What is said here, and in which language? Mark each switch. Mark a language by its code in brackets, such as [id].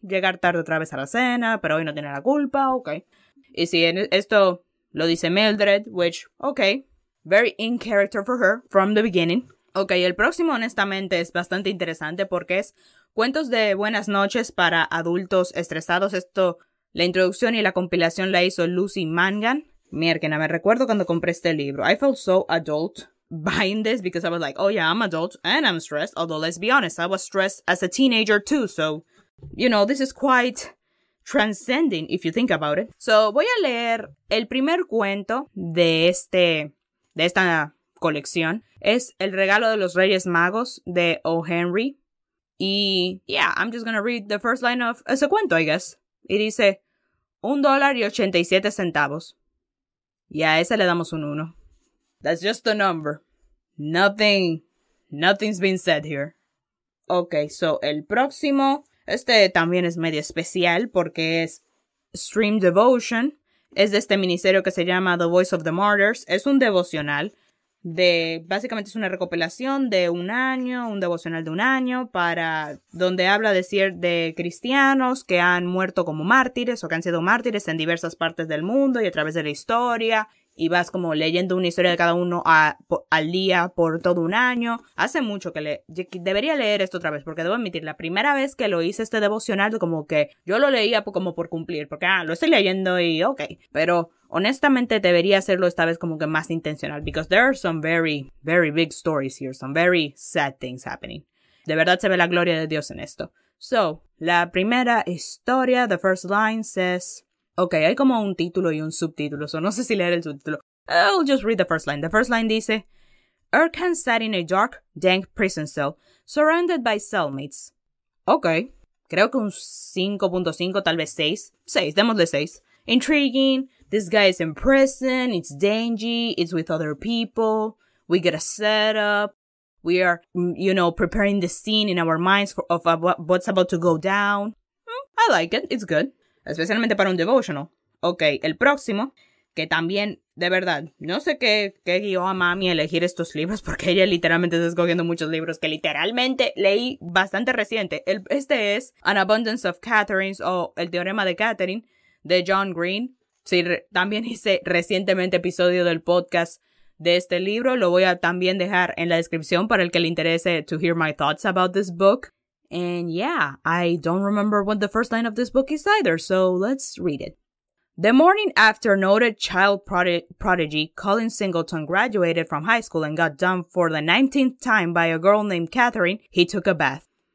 [es] Llegar tarde otra vez a la cena, pero hoy no tiene la culpa, okay. Y si esto lo dice [en] Mildred, which, okay, very in character for her from the beginning. [es] Okay, el próximo honestamente es bastante interesante porque es Cuentos de Buenas Noches para Adultos Estresados. Esto, la introducción y la compilación la hizo Lucy Mangan. Mierda, me recuerdo cuando compré este libro. [en] I felt so adult buying this because I was like, oh yeah, I'm adult and I'm stressed. Although, let's be honest, I was stressed as a teenager too. So, you know, this is quite transcending if you think about it. [es] So, voy a leer el primer cuento de esta colección. Es El Regalo de los Reyes Magos de O. Henry. [en] Y, yeah, I'm just gonna read the first line of [es] ese cuento, [en] I guess. [es] Y dice, $1.87. Y a ese le damos un [en] 1. That's just a number. Nothing's been said here. [es] Okay, so el próximo, este también es medio especial porque es Stream Devotion. Es de este ministerio que se llama The Voice of the Martyrs. Es un devocional de, básicamente es una recopilación de un año, un devocional de un año para donde habla de cristianos que han muerto como mártires o que han sido mártires en diversas partes del mundo y a través de la historia. Y vas como leyendo una historia de cada uno al día por todo un año. Hace mucho que debería leer esto otra vez. Porque debo admitir, la primera vez que lo hice este devocional, como que yo lo leía como por cumplir. Porque, lo estoy leyendo y ok. Pero honestamente debería hacerlo esta vez como que más intencional. [en] Because there are some very, very big stories here. Some very sad things happening. [es] De verdad se ve la gloria de Dios en esto. So, la primera historia, [en] the first line says... [es] Ok, hay como un título y un subtítulo, so no sé si leer el subtítulo. [en] I'll just read the first line. The first line [es] dice, [en] Erkan sat in a dark, dank prison cell, surrounded by cellmates. [es] Ok, creo que un 5.5, tal vez 6. 6, démosle 6. [en] Intriguing, this guy is in prison, it's dingy, it's with other people, we get a setup, we are, you know, preparing the scene in our minds of what's about to go down. I like it, it's good. [es] Especialmente para un devotional. Ok, el próximo, que también, de verdad, no sé qué guió a mami a elegir estos libros, porque ella literalmente está escogiendo muchos libros que literalmente leí bastante reciente. Este es An Abundance of Catherines, o El Teorema de Catherine, de John Green. Sí, también hice recientemente episodio del podcast de este libro. Lo voy a también dejar en la descripción para el que le interese [en] to hear my thoughts about this book. And yeah, I don't remember what the first line of this book is either, so let's read it. The morning after noted child prodigy Colin Singleton graduated from high school and got dumped for the 19th time by a girl named Catherine, he took a bath.